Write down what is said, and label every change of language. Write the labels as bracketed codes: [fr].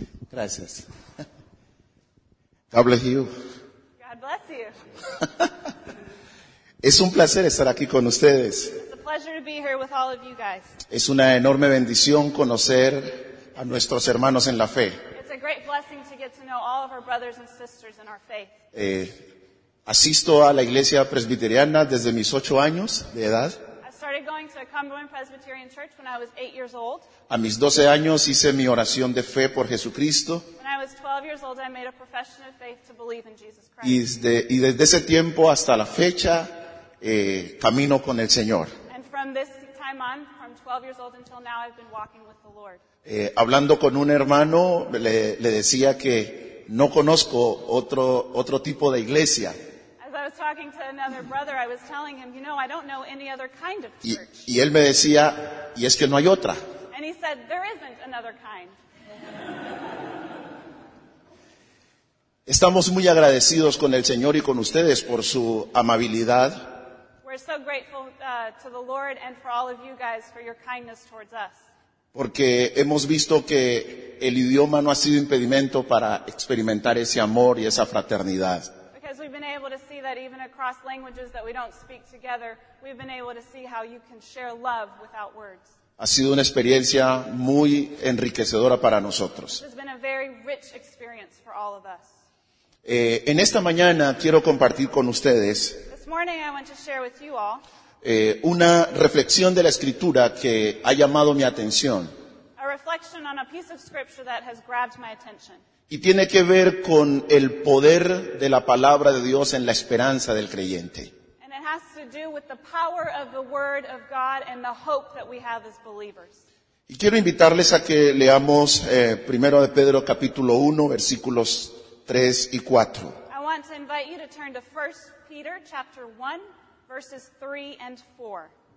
[en] Gracias. God bless you. God bless you. [es] Es un placer estar aquí con ustedes. [en] It's a pleasure to be here with all of you guys. [es] Es una enorme bendición conocer a nuestros hermanos en la fe. [en] It's a great blessing to get to know all of our brothers and sisters in our faith. [es] Asisto a la iglesia presbiteriana desde mis 8 años de edad. [en] I started going to a Cumberland Presbyterian Church when I was 8 years old. [es] A mis 12 años hice mi oración de fe por Jesucristo. [en] When I was 12 years old, I made a profession of faith to believe in Jesus Christ. [es] Y desde ese tiempo hasta la fecha, camino con el Señor. [en] And from this time on, from 12 years old until now, I've been walking with the Lord. [es] Hablando con un hermano, le decía que no conozco otro tipo de iglesia. [en] I was talking to another brother. I was telling him, you know, I don't know any other kind of church. [es] Y él me decía, y es que no hay otra. [en] And he said, there isn't another kind. [es] Estamos muy agradecidos con el Señor y con ustedes por su amabilidad. [en] We're so grateful to the Lord and for all of you guys for your kindness towards us. [es] Porque hemos visto que el idioma no ha sido impedimento para experimentar ese amor y esa fraternidad. [en] Because we've been able to see that even across languages that we don't speak together, we've been able to see how you can share love without words. [es] Ha sido una experiencia muy enriquecedora para nosotros. [en] It's been a very rich experience for all of us. [es] En esta mañana quiero compartir con ustedes. [en] This morning I want to share with you all. [es] Una reflexión de la escritura que ha llamado mi atención. [en] A reflection on a piece of scripture that has grabbed my attention. [es] Y tiene que ver con el poder de la palabra de Dios en la esperanza del creyente. [en] And it has to do with the power of the word of God and the hope that we have as believers. [es] Y quiero invitarles a que leamos primero de Pedro capítulo 1 versículos 3 y 4. [en] I want to invite you to turn to 1 Peter chapter 1 verses 3 and 4.